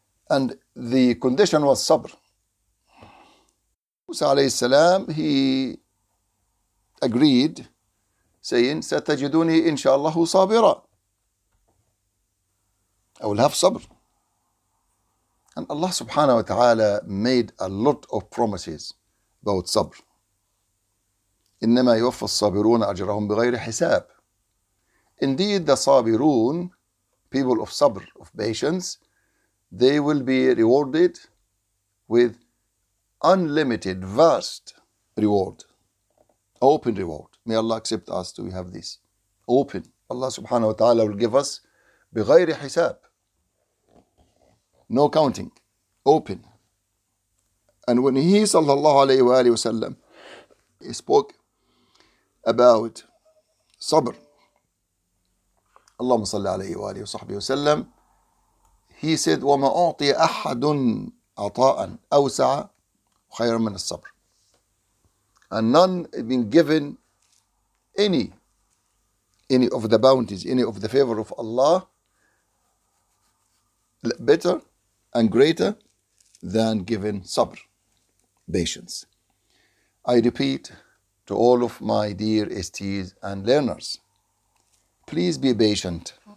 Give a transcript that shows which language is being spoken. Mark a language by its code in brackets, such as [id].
[en] And the condition was sabr. Musa alayhi salam, he agreed, saying, [ar] ستجدوني إن شاء الله صابرا. [en] I will have sabr. And Allah subhanahu wa ta'ala made a lot of promises about sabr. [ar] إنما يوفى الصابرون أجرهم بغير حساب. [en] Indeed, the sabirun, people of sabr, of patience, they will be rewarded with unlimited, vast reward, open reward. May Allah accept us to have this open. Allah subhanahu wa ta'ala will give us [ar] بغير حساب, [en] no counting, open. And when he, sallallahu alayhi wa alayhi wa sallam, he spoke about sabr, [ar] اللهم صل عليه وآله وصحبه وسلم. [en] He said [ar] وما أعطي أحد عطاء أوسع خيرا من الصبر. [en] And none been given any of the bounties, any of the favor of Allah better and greater than given sabr, patience. I repeat to all of my dear STs and learners, please be patient.